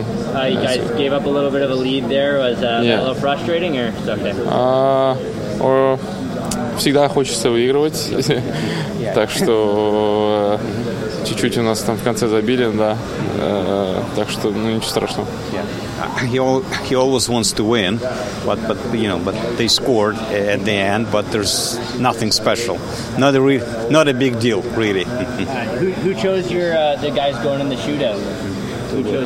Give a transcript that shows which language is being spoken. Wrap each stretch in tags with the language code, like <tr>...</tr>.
<en>You guys gave up a little bit of a lead there. Was a little frustrating, or it's okay?</en> <ru>Всегда хочется выигрывать, так что чуть-чуть у нас там в конце забили, да, так что ничего страшного.</ru> <en>He always wants to win, but they scored at the end, but there's nothing special, not a big deal really. Who chose the guys going in the shootout?</en>